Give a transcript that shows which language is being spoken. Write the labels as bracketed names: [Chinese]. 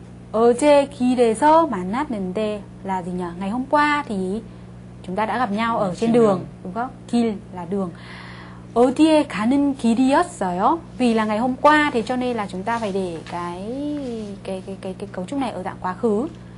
[Korean] 어제 길에서 만났는데 [Vietnamese] là gì nhỉ? Ngày hôm qua thì chúng ta đã gặp nhau ở trên đường, đúng không? 길 là đường. [Korean] 어디에 가는 길이었어요? [Vietnamese] Vì là ngày hôm qua thì cho nên là chúng ta phải để cái cấu trúc này ở dạng quá khứ.